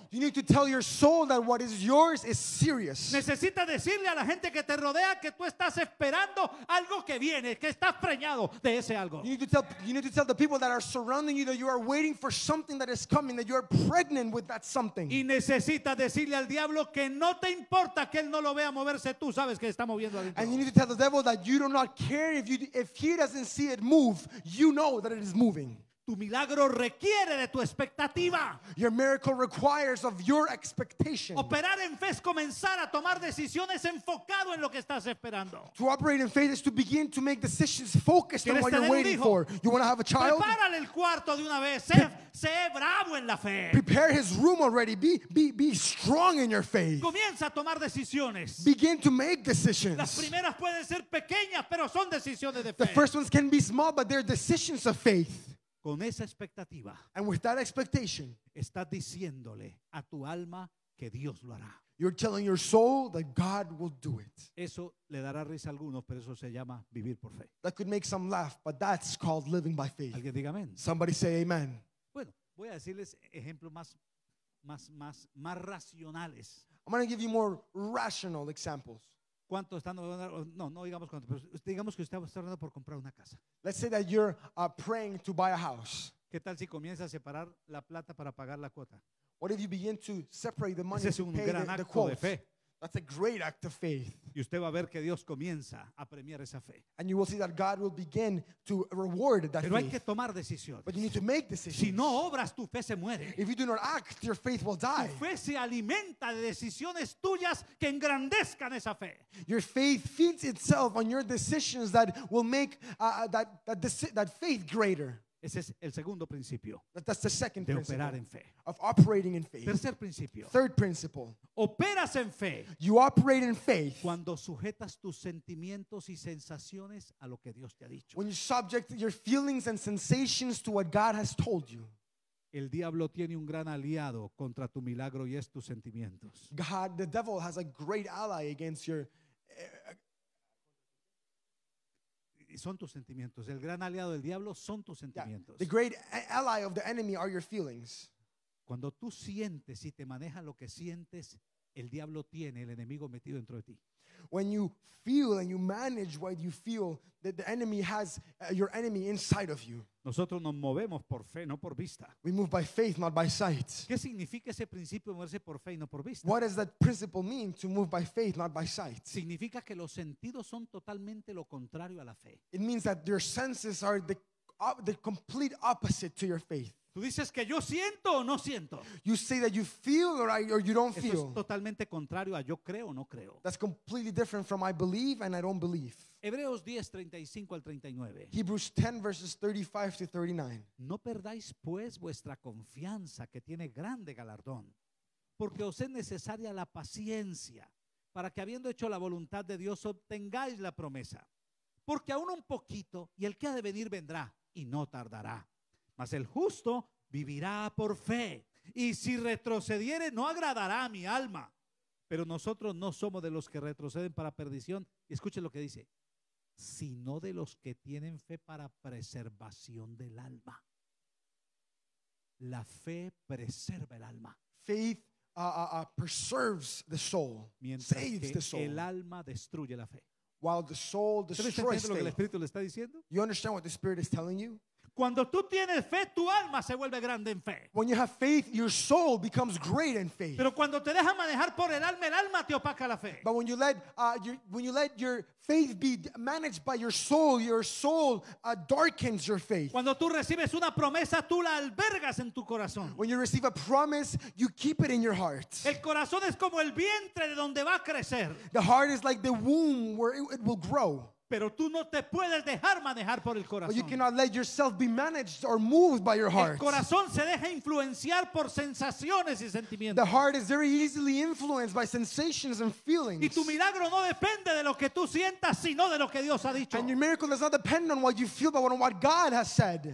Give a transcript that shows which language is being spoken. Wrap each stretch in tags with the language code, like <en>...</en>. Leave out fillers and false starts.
<en>You need to tell your soul that what is yours is serious.</en> <es>Necesitas decirle a la gente que te rodea que tú estás esperando algo que viene, que estás preñado de ese algo.</es> <en>You need to tell the people that are surrounding you that you are waiting for something that is coming, that you are pregnant with that something.</en> <es>Y necesita decirle al diablo que no te importa que él no lo vea moverse, tú sabes que está moviendo adentro.</es> <en>And you need to tell the devil that you do not care if he doesn't see it move, you know that it is moving.</en> <es>Tu milagro requiere de tu expectativa.</es> <en>Your miracle requires of your expectation.</en> <es>Operar en fe es comenzar a tomar decisiones enfocado en lo que estás esperando.</es> <en>To operate in faith is to begin to make decisions focused on what you're waiting for. You want to have a child?</en> <es>Prepárale el cuarto de una vez. Sé bravo en la fe.</es> <en>Prepare his room already. Be strong in your faith.</en> <es>Comienza a tomar decisiones.</es> <en>Begin to make decisions.</en> <es>Las primeras pueden ser pequeñas, pero son decisiones de fe.</es> <en>The first ones can be small, but they're decisions of faith.</en> <es>Con esa expectativa.</es> <en>And with that expectation,</en> <es>estás diciéndole a tu alma que Dios lo hará.</es> <en>You're telling your soul that God will do it.</en> <es>Eso le dará risa a algunos, pero eso se llama vivir por fe.</es> <en>That could make some laugh, but that's called living by faith.</en> <es>Alguien diga amén.</es> <en>Somebody say amen.</en> <es>Bueno, voy a decirles ejemplos más racionales.</es> <en>I'm going to give you more rational examples.</en> <es>¿Cuántos están orando? No digamos cuánto, pero digamos que usted está orando por comprar una casa.</es> <en>Let's say that you're praying to buy a house.</en> <es>¿Qué tal si comienza a separar la plata para pagar la cuota?</es> <en>What if you begin to separate the money to pay the quotes?</en> <es>Ese es un gran acto de fe.</es> <en>That's a great act of faith.</en> <es>Y usted va a ver que Dios comienza a premiar esa fe.</es> <en>And you will see that God will begin to reward that faith.</en> <es>Pero hay que tomar decisiones.</es> <en>But you need to make decisions.</en> <es>Si no obras, tu fe se muere.</es> <en>If you do not act, your faith will die.</en> <es>Tu fe se alimenta de decisiones tuyas que engrandezcan esa fe.</es> <en>Your faith feeds itself on your decisions that will make that faith greater.</en> <es>Ese es el segundo principio.</es> <en>That's the second</en> <es>de operar</es> <en>principle</en> <es>en fe.</es> <en>Of operating in faith.</en> <es>Tercer principio.</es> <en>Third principle.</en> <es>Operas en fe.</es> <en>You operate in faith.</en> <es>Cuando sujetas tus sentimientos y sensaciones a lo que Dios te ha dicho.</es> <en>When you subject your feelings and sensations to what God has told you.</en> <es>El diablo tiene un gran aliado contra tu milagro y es tus sentimientos.</es> <en>God, the devil has a great ally against your</en> <es>son tus sentimientos. El gran aliado del diablo son tus sentimientos.</es> <en>Yeah. The great ally of the enemy are your feelings.</en> <es>Cuando tú sientes y te manejas lo que sientes, el diablo tiene el enemigo metido dentro de ti.</es> <en>When you feel and you manage what you feel, that the enemy has your enemy inside of you.</en> <es>Nosotros nos movemos por fe, no por vista.</es> <en>We move by faith, not by sight.</en> <es>¿Qué significa ese principio de moverse por fe y no por vista?</es> <en>What does that principle mean, to move by faith, not by sight?</en> <es>Significa que los sentidos son totalmente lo contrario a la fe.</es> <en>It means that your senses are the complete opposite to your faith.</en> <es>Tú dices que yo siento o no siento.</es> <en>You say that you feel or you don't feel.</en> <es>Eso es totalmente contrario a yo creo o no creo.</es> <en>That's completely different from I believe and I don't believe.</en> <es>Hebreos 10:35 al 39.</es> <en>Hebrews 10 verses 35 to 39.</en> <es>No perdáis pues vuestra confianza que tiene grande galardón, porque os es necesaria la paciencia para que habiendo hecho la voluntad de Dios obtengáis la promesa. porque aún un poquito y el que ha de venir vendrá y no tardará. Mas el justo vivirá por fe, y si retrocediere no agradará a mi alma. Pero nosotros no somos de los que retroceden para perdición. Escuche lo que dice: sino de los que tienen fe para preservación del alma. La fe preserva el alma.</es> <en>Faith preserves the soul.</en> <es>Mientras</es> <en>saves the soul.</en> <es>El alma destruye la fe.</es> <en>While the soul destroys faith.</en> <es>¿Lo que el Espíritu le está diciendo?</es> <en>You understand what the Spirit is telling you?</en> <es>Cuando tú tienes fe, tu alma se vuelve grande en fe.</es> <en>When you have faith, your soul becomes great in faith.</en> <es>Pero cuando te dejas manejar por el alma te opaca la fe.</es> <en>But when you let your faith be managed by your soul darkens your faith.</en> <es>Cuando tú recibes una promesa, tú la albergas en tu corazón.</es> <en>When you receive a promise, you keep it in your heart.</en> <es>El corazón es como el vientre de donde va a crecer.</es> <en>The heart is like the womb where it will grow.</en> <es>Pero tú no te puedes dejar manejar por el corazón.</es> <en>But you cannot let yourself be managed or moved by your heart.</en> <es>El corazón se deja influenciar por sensaciones y sentimientos.</es> <en>The heart is very easily influenced by sensations and feelings.</en> <es>Y tu milagro no depende de lo que tú sientas, sino de lo que Dios ha dicho.</es> <en>And your miracle does not depend on what you feel, but on what God has said.</en>